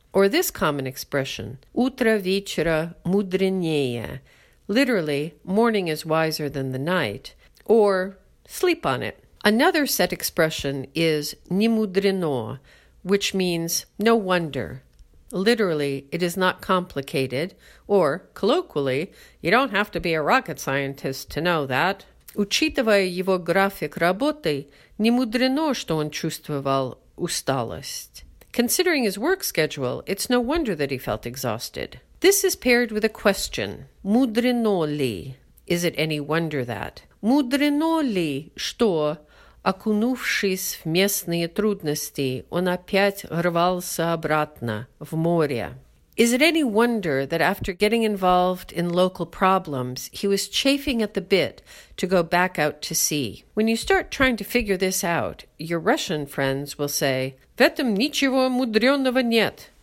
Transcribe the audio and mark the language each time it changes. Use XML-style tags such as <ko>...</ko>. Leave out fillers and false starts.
<en>or this common expression,</en> <ru>utra vichra mudrinyeye,</ru> <en>literally, morning is wiser than the night, or sleep on it. Another set expression is nimudrino, which means no wonder. Literally, it is not complicated, or colloquially, you don't have to be a rocket scientist to know that.</en> <ru>Учитывая его график работы, не мудрено, что он чувствовал усталость.</ru> <en>Considering his work schedule, it's no wonder that he felt exhausted. This is paired with a question.</en> <ru>Мудрено ли?</ru> <en>Is it any wonder that?</en> <ru>Мудрено ли, что, окунувшись в местные трудности, он опять рвался обратно в море?</ru> <en>Is it any wonder that after getting involved in local problems, he was chafing at the bit to go back out to sea? When you start trying to figure this out, your Russian friends will say,</en> <ru>«В этом ничего мудреного нет».</ru>